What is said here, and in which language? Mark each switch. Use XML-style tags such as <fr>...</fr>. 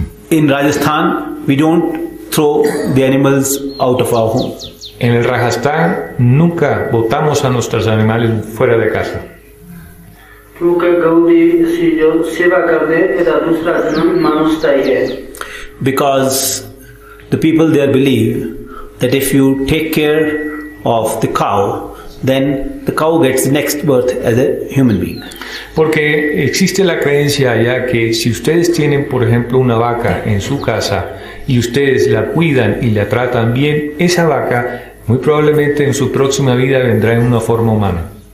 <en>In Rajasthan, we don't throw the animals out of our home.</en> <es>En el Rajasthan, nunca botamos a nuestros animales fuera de casa.</es> <en>Because the people there believe that if you take care of the cow, then the cow gets the next birth as a human being.</en> <es>Porque existe la creencia allá que si ustedes tienen, por ejemplo, una vaca en su casa y ustedes la cuidan y la tratan bien, esa vaca muy probablemente en su próxima vida vendrá en una forma humana.</es>